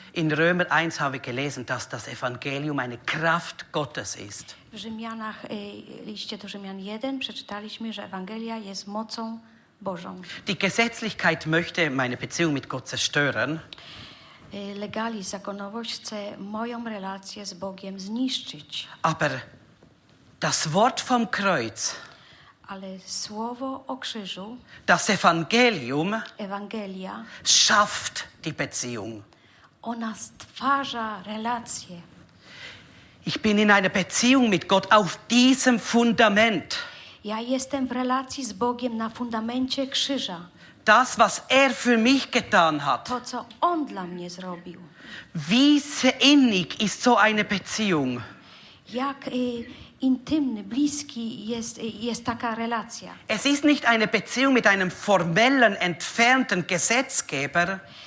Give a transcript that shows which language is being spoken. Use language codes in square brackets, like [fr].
[de] In Römer 1 habe ich gelesen, dass das Evangelium eine Kraft Gottes ist. [pl] W Rzymianach, liście do Rzymian 1 przeczytaliśmy, że Ewangelia jest mocą Bożą. [de] Die Gesetzlichkeit möchte meine Beziehung mit Gott zerstören. [pl] Legalizm, zakonowość chce moją relację z Bogiem zniszczyć. [de] Aber das Wort vom Kreuz, [pl] ale słowo o krzyżu, [de] das Evangelium, [pl] Ewangelia, [de] schafft die Beziehung. [pl] Ona stwarza relację. [de] Ich bin in einer Beziehung mit Gott auf diesem Fundament. [pl] Ja jestem w relacji z Bogiem na fundamencie krzyża. [de] Das, was für mich getan hat. [pl] To, co on dla mnie zrobił. [de] Wie innig ist so eine Beziehung? [pl] Jak intymny, bliski jest taka relacja. [de] Es ist nicht eine Beziehung mit einem formellen, entfernten Gesetzgeber.